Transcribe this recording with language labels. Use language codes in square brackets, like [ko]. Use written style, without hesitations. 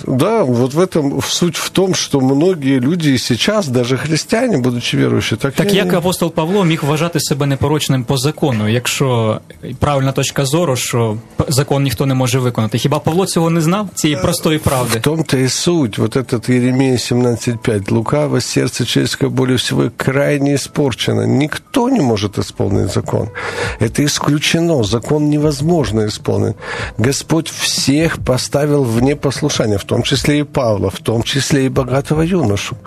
[ru] Да, вот в этом суть в том, что многие люди сейчас, даже христиане, будучи верующими, так... Так как апостол Павло мог [uk] вважати [ru] себе непорочным по закону, [uk] якщо правильна точка зору, [ru] что закон никто не может выполнить? [uk] Хіба Павло цього не знал, цієї простої правди? [ru] В том-то и суть. Вот этот Иеремия 17:5. Лукаво сердце человеческое более всего крайне испорчено. Никто не может исполнить закон. Это исключено. Закон невозможно исполнить. Господь всех поставил в непослушание, в том числе и Павла, в том числе и богатого юношу.